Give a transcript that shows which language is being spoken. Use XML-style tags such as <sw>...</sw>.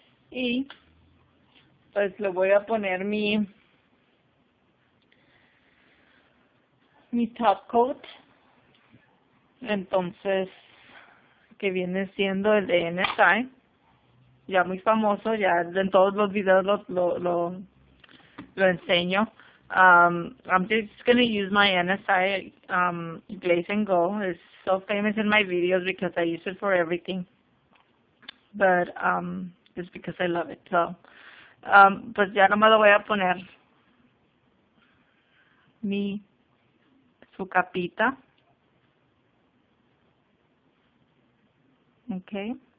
<es>Y pues le voy a poner mi top coat. Entonces, que viene siendo el de NSI. Ya muy famoso, ya en todos los videos lo enseño.</es> <en>I'm just gonna use my NSI Glaze and Go. It's so famous in my videos because I use it for everything. But just because I love it.</en> <es>So, pues ya nomás lo voy a poner su capita.</es> <en>Okay.</en>